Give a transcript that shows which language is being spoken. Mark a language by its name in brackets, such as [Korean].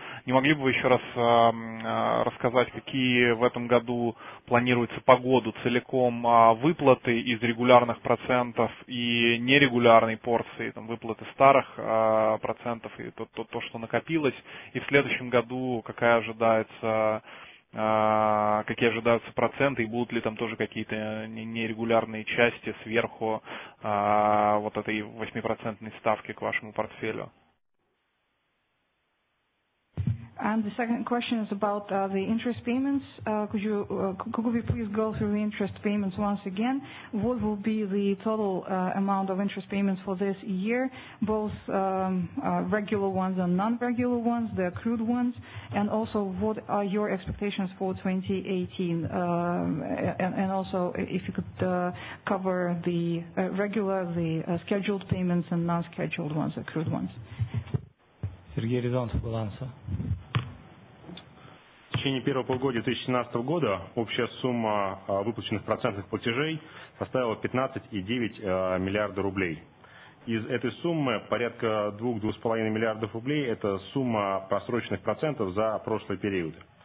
[Russian] Не могли бы вы еще раз рассказать, какие в этом году планируются по году целиком выплаты из регулярных процентов и нерегулярной порции, там, выплаты старых процентов и то, что накопилось. И в следующем году какая ожидается, какие ожидаются проценты и будут ли там тоже какие-то нерегулярные части сверху вот этой 8% ставки к вашему портфелю. [English] And the second question is about the interest payments. Could we please go through the interest payments once again? What will be the total amount of interest payments for this year, both regular ones and non-regular ones, the accrued ones, and also what are your expectations for 2018? And also if you could cover the regular, the scheduled payments and non-scheduled ones, accrued ones. Сергей Рязанцев will answer. [Russian] В течение первого полугодия 2017 года общая сумма выплаченных процентных платежей составила 15,9 миллиарда рублей. Из этой суммы порядка 2-2,5 миллиардов рублей – это сумма просроченных процентов за прошлые периоды.